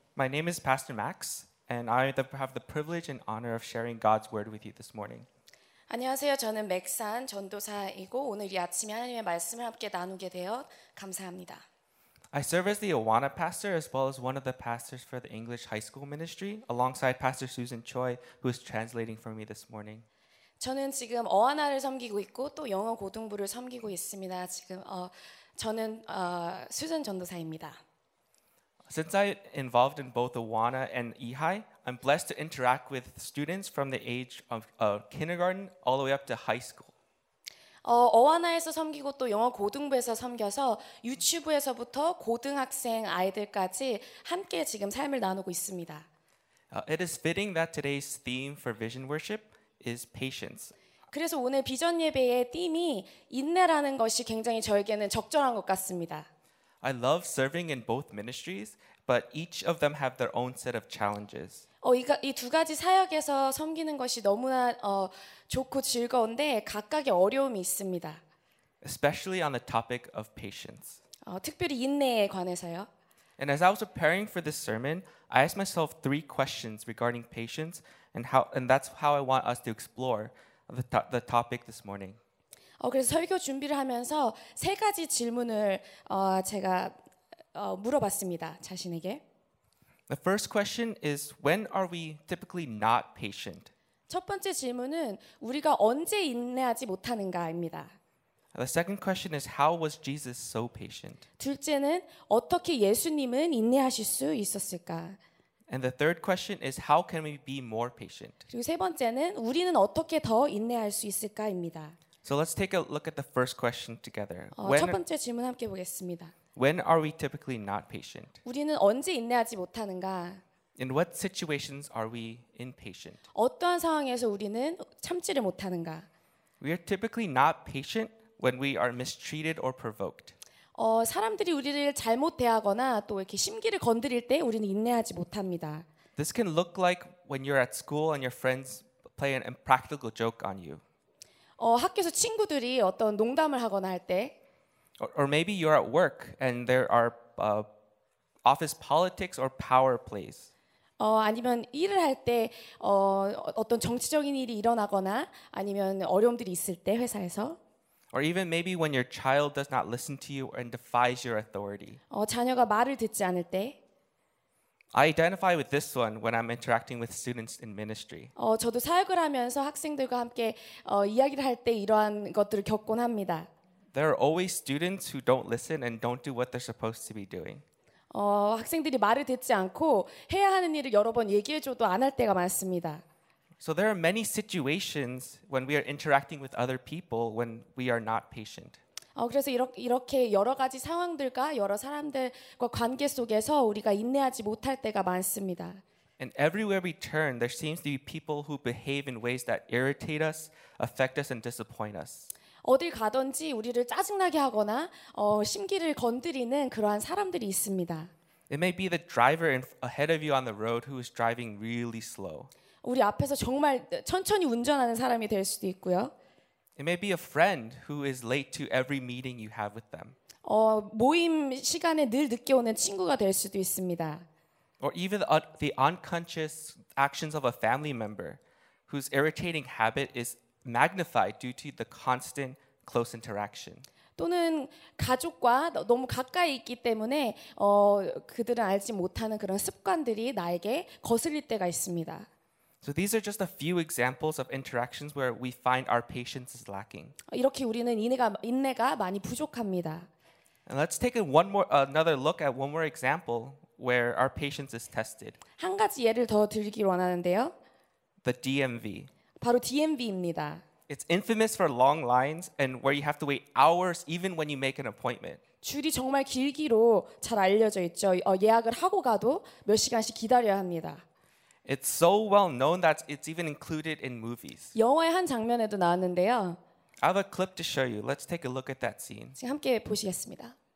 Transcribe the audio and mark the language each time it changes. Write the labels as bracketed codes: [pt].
[en] My name is Pastor Max, and I have the privilege and honor of sharing God's word with you this morning. [ko] 안녕하세요. 저는 맥산 전도사이고 오늘 이 아침에 하나님의 말씀을 함께 나누게 되어 감사합니다. [en] I serve as the Awana pastor as well as one of the pastors for the English High School Ministry alongside Pastor Susan Choi who is translating for me this morning. [ko] 저는 지금 어와나를 섬기고 있고 또 영어 고등부를 섬기고 있습니다. 지금 저는 수준 전도사입니다. [en] Since I'm involved in both Awana and EHI, I'm blessed to interact with students from the age of kindergarten all the way up to high school. [ko] 어와나에서 섬기고 또 영어 고등부에서 섬겨서 유치부에서부터 고등학생 아이들까지 함께 지금 삶을 나누고 있습니다. [en] It is fitting that today's theme for vision worship is patience. [ko] 그래서 오늘 비전 예배의 팀이 인내라는 것이 굉장히 저에게는 적절한 것 같습니다. [en] I love serving in both ministries, but each of them have their own set of challenges. [ko] 이 두 가지 사역에서 섬기는 것이 너무나 좋고 즐거운데 각각의 어려움이 있습니다. [en] Especially on the topic of patience. [ko] 특별히 인내에 관해서요. [en] And as I was preparing for this sermon, I asked myself three questions regarding patience, and that's how I want us to explore the topic this morning. [ko] 그래서 설교 준비를 하면서 세 가지 질문을 제가 물어봤습니다. 자신에게. [en] The first question is when are we typically not patient? [ko] 첫 번째 질문은 우리가 언제 인내하지 못하는가입니다. [en] The second question is how was Jesus so patient? [ko] 둘째는 어떻게 예수님은 인내하실 수 있었을까? [en] And the third question is how can we be more patient? [ko] 그리고 세 번째는 우리는 어떻게 더 인내할 수 있을까입니다. [en] So let's take a look at the first question together. [ko] 첫 번째 질문 함께 보겠습니다. [en] When are we typically not patient? [ko] 우리는 언제 인내하지 못하는가? [en] In what situations are we impatient? [ko] 어떠한 상황에서 우리는 참지를 못하는가? [en] We are typically not patient when we are mistreated or provoked. [ko] 사람들이 우리를 잘못 대하거나 또 이렇게 심기를 건드릴 때 우리는 인내하지 못합니다. [en] This can look like when you're at school and your friends play an impractical joke on you. [ko] 학교에서 친구들이 어떤 농담을 하거나 할 때 [en] or maybe you're at work and there are office politics or power plays. [ko] 아니면 일을 할 때 어떤 정치적인 일이 일어나거나 아니면 어려움들이 있을 때 회사에서 [en] or even maybe when your child does not listen to you and defies your authority. [ko] 자녀가 말을 듣지 않을 때 [en] I identify with this one when I'm interacting with students in ministry. [ko] 저도 사역을 하면서 학생들과 함께 이야기를 할 때 이러한 것들을 겪곤 합니다. [en] There are always students who don't listen and don't do what they're supposed to be doing. [ko] 학생들이 말을 듣지 않고 해야 하는 일을 여러 번 얘기해줘도 안 할 때가 많습니다. [en] So there are many situations when we are interacting with other people when we are not patient. [ko] 그래서 이렇게 여러 가지 상황들과 여러 사람들과 관계 속에서 우리가 인내하지 못할 때가 많습니다. [en] And everywhere we turn, there seems to be people who behave in ways that irritate us, affect us, and disappoint us. [ko] 어딜 가든지 우리를 짜증나게 하거나 심기를 건드리는 그러한 사람들이 있습니다. [en] It may be the driver ahead of you on the road who is driving really slow. [ko] 우리 앞에서 정말 천천히 운전하는 사람이 될 수도 있고요. [en] It may be a friend who is late to every meeting you have with them. [ko] 모임 시간에 늘 늦게 오는 친구가 될 수도 있습니다. [en] Or even the unconscious actions of a family member whose irritating habit is magnified due to the constant close interaction. [ko] 또는 가족과 너무 가까이 있기 때문에 그들은 알지 못하는 그런 습관들이 나에게 거슬릴 때가 있습니다. [en] So these are just a few examples of interactions where we find our patience is lacking. [ko] 이렇게 우리는 인내가 많이 부족합니다. [en] And let's take another look at one more example where our patience is tested. [ko] 한 가지 예를 더 들기 원하는데요. [en] The DMV. [ko] 바로 DMV입니다. [en] It's infamous for long lines and where you have to wait hours even when you make an appointment. [ko] 줄이 정말 길기로 잘 알려져 있죠. 예약을 하고 가도 몇 시간씩 기다려야 합니다. [en] It's so well known that it's even included in movies. [ko] 영화의 한 장면에도 나왔는데요. [en] I have a clip to show you. Let's take a look at that scene. [ko] 지금 함께 보시겠습니다.